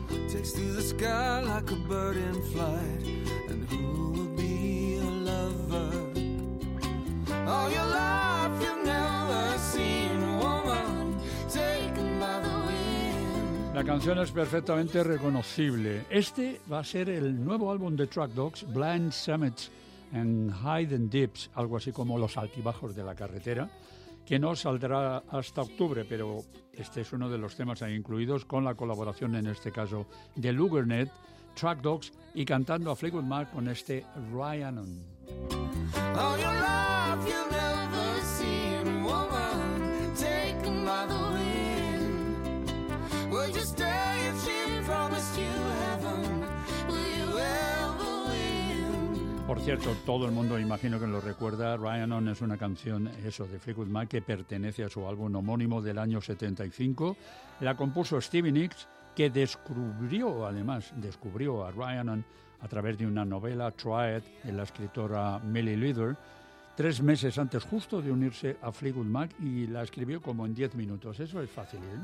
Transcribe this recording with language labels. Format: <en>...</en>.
<en>Takes through the sky like a bird in flight, and who will be a lover? All your life you've never seen a woman taken by the wind.</en> <es>La canción es perfectamente reconocible. Este va a ser el nuevo álbum de Track Dogs, Blind Summits and Hidden Dips, algo así como los altibajos de la carretera, que no saldrá hasta octubre, pero este es uno de los temas ahí incluidos, con la colaboración en este caso de Lugernet, Track Dogs, y cantando a Fleetwood Mac con este Rhiannon.</es> <en>All your life you've never seen a woman taken by the wind. Would you stay if she promised you heaven? Will you ever win?</en> <es>Por cierto, todo el mundo imagino que lo recuerda. Rhiannon es una canción, eso, de Fleetwood Mac, que pertenece a su álbum homónimo del año 75. La compuso Stevie Nicks, que descubrió a Rhiannon a través de una novela, Try It, de la escritora Millie Leader, 3 meses antes justo de unirse a Fleetwood Mac, y la escribió como en 10 minutos. Eso es fácil.</es>